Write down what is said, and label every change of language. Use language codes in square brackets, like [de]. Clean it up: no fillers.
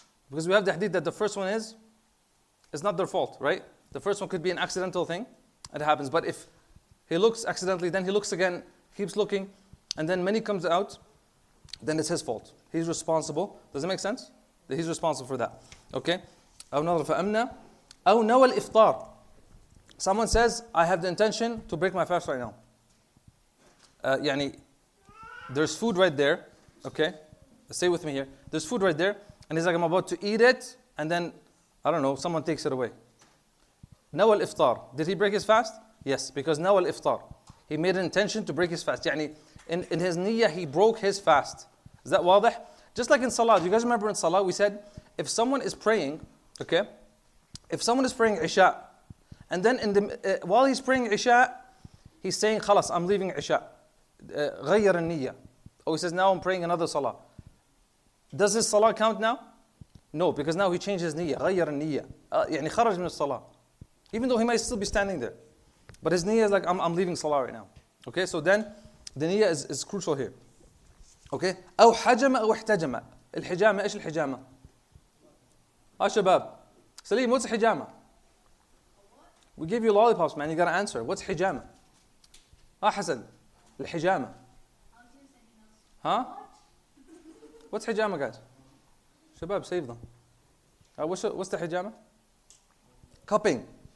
[en] Because we have the hadith that the first one is, it's not their fault, right? The first one could be an accidental thing. It happens. But if he looks accidentally, then he looks again, keeps looking, and then many comes out, then it's his fault. He's responsible. Does it make sense? That he's responsible for that. Okay? [ar] أو نظر فأمنا أو نوى الإفطار. [en] Someone says, I have the intention to break my fast right now. يعني, there's food right there. Okay? Stay with me here. There's food right there. And he's like, I'm about to eat it, and then, I don't know, someone takes it away. Now al-iftar. Did he break his fast? Yes, because now al-iftar. He made an intention to break his fast. يعني, in his niyyah, he broke his fast. Is that wadih? Just like in salah, you guys remember in salah, we said, if someone is praying, okay, if someone is praying Isha, and then in the while he's praying Isha, he's saying, khalas, I'm leaving Isha. [ar] غير النiyyah. [en] Oh, he says, now I'm praying another salah. Does his salah count now? No, because now he changed his niyyah. [ar] غير النiyyah. يعني خرج من الصلاة. [en] Even though he might still be standing there. But his niyyah is like, I'm leaving salah right now. Okay, so then the niyyah is crucial here. [ar] Okay? أو حجم أو احتجم. الحجامة, إيش الحجامة؟ آه شباب. سليم, what's حجامة? [en] We gave you lollipops, man. You gotta answer. What's حجامة? [ar] آه حسن. الحجامة. [en] Huh? What's hijama, guys? Shabab, save them. What's the hijama? Cupping.